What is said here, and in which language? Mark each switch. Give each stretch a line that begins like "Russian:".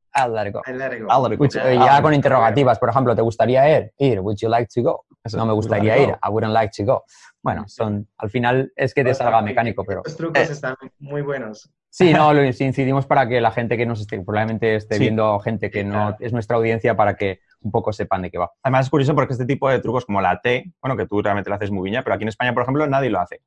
Spanish: Ya con interrogativas, por ejemplo, ¿te gustaría ir?
English: Would you like to go?
Spanish: Eso, no me gustaría ir,
English: I wouldn't like to go.
Spanish: Bueno, son, al final es que te salga mecánico, pero... Los trucos están muy buenos. Sí, no, lo incidimos para que la gente que nos esté, probablemente esté viendo gente que no es nuestra audiencia, para que un poco sepan de qué va. Además, es curioso porque este tipo de trucos como la T, bueno, que tú realmente lo haces muy bien, pero aquí en España, por ejemplo, nadie lo hace.